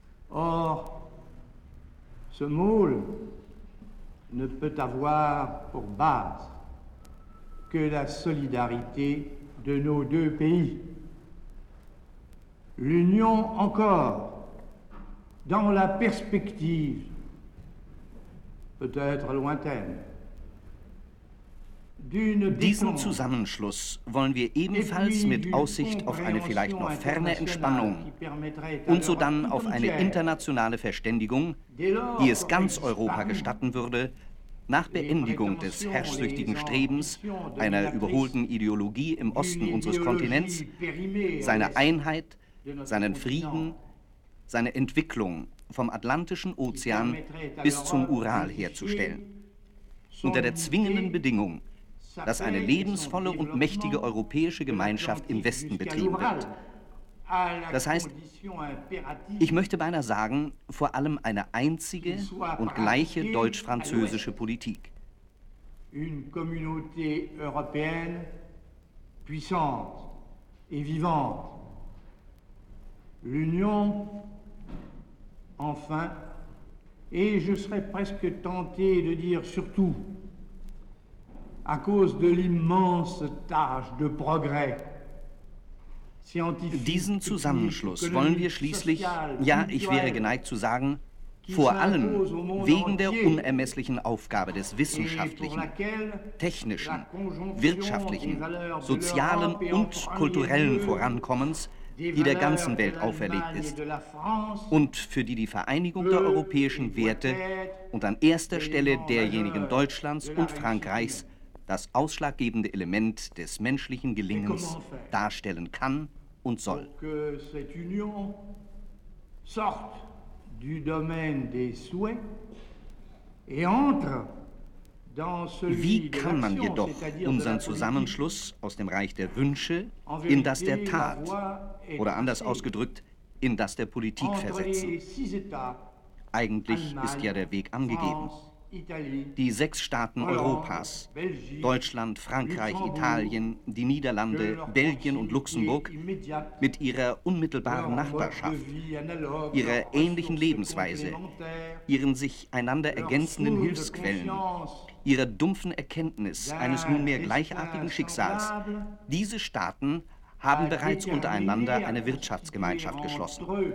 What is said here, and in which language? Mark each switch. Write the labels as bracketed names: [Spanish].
[French] Or, ce môle ne peut avoir pour base que la solidarité de nos deux pays. L'Union encore, dans la perspective peut-être lointaine. [German] Diesen Zusammenschluss wollen wir ebenfalls mit Aussicht auf eine vielleicht noch ferne Entspannung und sodann auf eine internationale Verständigung, die es ganz Europa gestatten würde, Nach Beendigung des herrschsüchtigen Strebens einer überholten Ideologie im Osten unseres Kontinents, seine Einheit, seinen Frieden, seine Entwicklung vom Atlantischen Ozean bis zum Ural herzustellen. Unter der zwingenden Bedingung, dass eine lebensvolle und mächtige europäische Gemeinschaft im Westen betrieben wird. Das heißt, ich möchte beinahe sagen, vor allem eine einzige und gleiche deutsch-französische Politik. [French] Une communauté européenne puissante et vivante. L'Union, enfin, et je serais presque tenté de dire surtout, à cause de l'immense tâche de progrès. [German] Diesen Zusammenschluss wollen wir schließlich, ja, ich wäre geneigt zu sagen, vor allem wegen der unermesslichen Aufgabe des wissenschaftlichen, technischen, wirtschaftlichen, sozialen und kulturellen Vorankommens, die der ganzen Welt auferlegt ist und für die die Vereinigung der europäischen Werte und an erster Stelle derjenigen Deutschlands und Frankreichs das ausschlaggebende Element des menschlichen Gelingens darstellen kann und soll. [French] Que cette union sorte du domaine des souhaits et entre dans celui. [German] Wie kann man jedoch unseren Zusammenschluss aus dem Reich der Wünsche in das der Tat oder anders ausgedrückt in das der Politik versetzen? Eigentlich ist ja der Weg angegeben. Die sechs Staaten Europas, Deutschland, Frankreich, Italien, die Niederlande, Belgien und Luxemburg, mit ihrer unmittelbaren Nachbarschaft, ihrer ähnlichen Lebensweise, ihren sich einander ergänzenden Hilfsquellen, ihrer dumpfen Erkenntnis eines nunmehr gleichartigen Schicksals, diese Staaten haben bereits untereinander eine Wirtschaftsgemeinschaft geschlossen.